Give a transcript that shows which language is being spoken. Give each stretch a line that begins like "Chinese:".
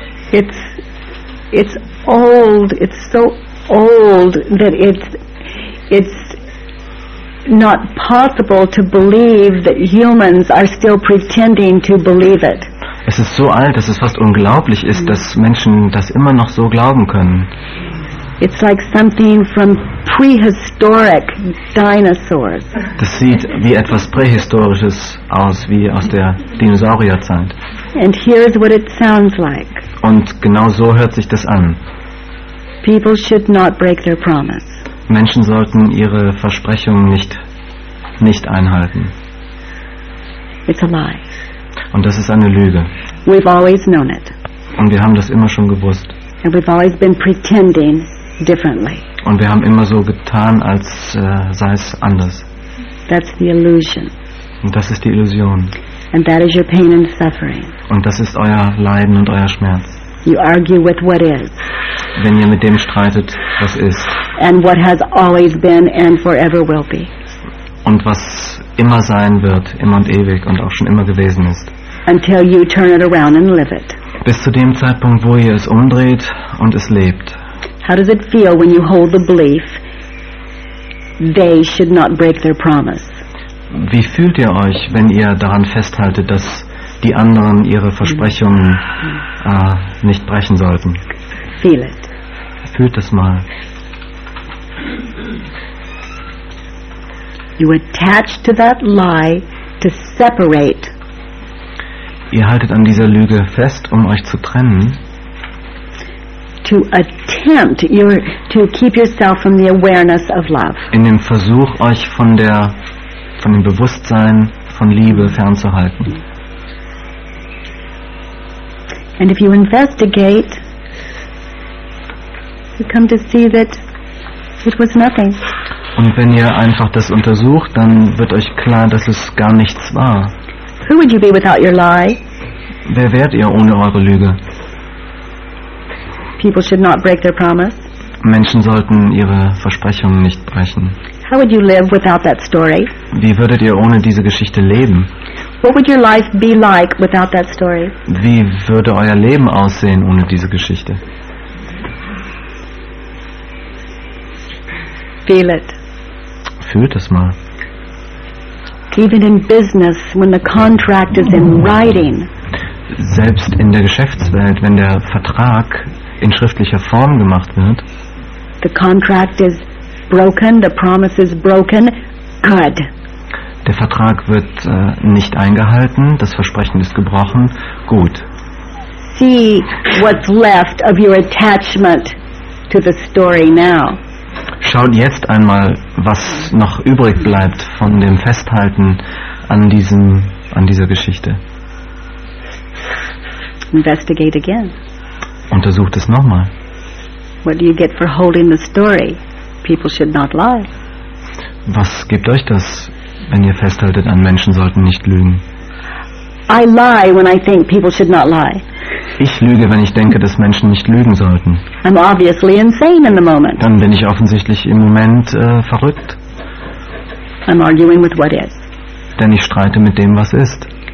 English: It's old, it's so old that it's not possible to believe that humans are still pretending to believe it.
German: Es ist so alt, dass es fast unglaublich ist, dass Menschen das immer noch so glauben können.
English: It's like something from prehistoric dinosaurs.
German: Das sieht wie etwas Prähistorisches aus, wie aus der Dinosaurierzeit.
English: And here's what it sounds like.
German: Und genau so hört sich das an.
English: People should not break their promise.
German: Menschen sollten ihre Versprechungen nicht einhalten.
English: It's a lie.
German: Und das ist eine Lüge.
English: We've always known it.
German: Und wir haben das immer schon gewusst.
English: And we've always been pretending differently.
German: Und wir haben immer so getan, als sei es anders.
English: That's the illusion.
German: Und das ist die Illusion.
English: And that is your pain and suffering.
German: Und das ist euer Leiden und euer Schmerz.
English: You argue with what is.
German: Wenn ihr mit dem streitet, was ist.
English: And what has always been and forever will be.
German: Und was immer sein wird, immer und ewig und auch schon immer gewesen ist.
English: Until you turn it around and live it.
German: Bis zu dem Zeitpunkt, wo ihr es umdreht und es lebt.
English: How does it feel when you hold the belief they should not break their promise?
German: Wie fühlt ihr euch, wenn ihr daran festhaltet, dass die anderen ihre Versprechungen nicht brechen sollten?
English: Feel it.
German: Fühlt es mal.
English: You attach to that lie to separate.
German: Ihr haltet an dieser Lüge fest, um euch zu trennen.
English: To attempt your to keep yourself from the awareness of love.
German: In dem Versuch, euch von dem Bewusstsein von Liebe fernzuhalten.
English: And if you investigate, you come to see that it was nothing.
German: Und wenn ihr einfach das untersucht, dann wird euch klar, dass es gar nichts war.
English: Who would you be without your lie?
German: Wer wärt ihr ohne eure Lüge?
English: People should not break their promise.
German: Menschen sollten ihre Versprechungen nicht brechen.
English: How would you live without that story?
German: Wie würdet ihr ohne diese Geschichte leben?
English: What would your life be like without that story?
German: Wie würde euer Leben aussehen ohne diese Geschichte?
English: Feel it.
German: Fühlt es mal.
English: Even in business, when the contract is in writing.
German: Selbst in der Geschäftswelt, wenn der Vertrag in schriftlicher Form gemacht wird.
English: The contract is broken, the promise is broken. Good.
German: Der Vertrag wird nicht eingehalten, das Versprechen ist gebrochen. Gut.
English: See what's left of your attachment to the story now.
German: Schaut jetzt einmal, was noch übrig bleibt von dem Festhalten an dieser Geschichte.
English: Investigate again.
German: Untersucht es nochmal.
English: What do you get for holding the story? People should not lie.
German: Was gibt euch das, wenn ihr festhaltet an Menschen sollten nicht lügen?
English: I lie when I think people should not lie.
German: Ich lüge, wenn ich denke, dass Menschen nicht lügen sollten.
English: I'm obviously insane in the moment.
German: Dann bin ich offensichtlich im Moment verrückt.
English: I'm arguing with what is.
German: Denn ich streite mit dem, was ist.